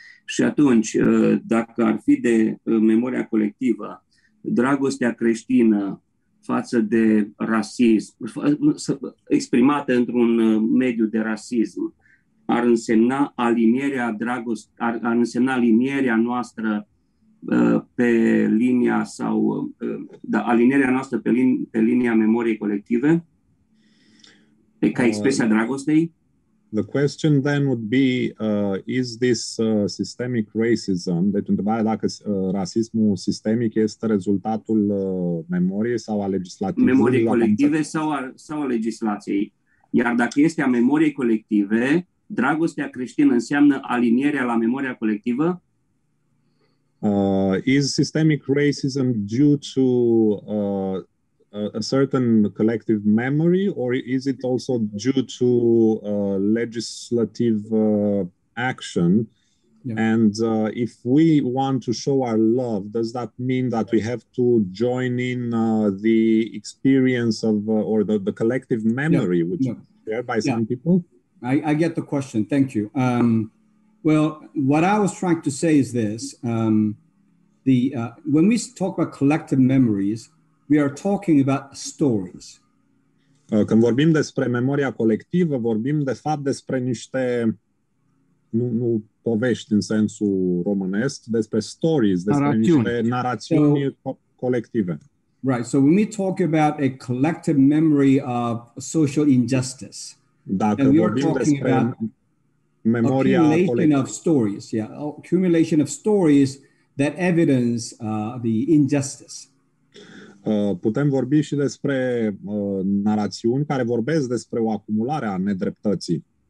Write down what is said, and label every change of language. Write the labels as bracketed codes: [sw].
[ro] Și atunci, dacă ar fi de memoria colectivă, dragostea creștină față de rasism, exprimată într-un mediu de rasism, ar însemna alinierea ar însemna alinierea noastră pe linia sau alinierea noastră pe linia memoriei colective, ca expresia dragostei. [en] The question then would be, is this systemic racism? [ro] Deci întrebarea dacă rasismul sistemic este rezultatul memoriei sau a legislației. Memoriei colective sau a legislației. Iar dacă este a memoriei colective, dragostea creștină înseamnă alinierea la memoria colectivă. [en] Is systemic racism due to a certain collective memory, or is it also due to legislative action? Yeah. And if we want to show our love, does that mean that we have to join in the experience of or the collective memory, yeah, which is shared by some people? I get the question. Thank you. Well, what I was trying to say is this. When we talk about collective memories, we are talking about stories. [ro] Când vorbim despre memoria colectivă, vorbim de fapt despre niște, nu povești în sensul românesc, despre stories, despre niște narațiuni colective. [en] Right, so when we talk about a collective memory of social injustice, [ro] dacă [en] and we are talking about memoria collective of stories, accumulation of stories that evidence the injustice. [ro] Putem vorbi și despre narațiuni care vorbesc despre o acumulare a nedreptății.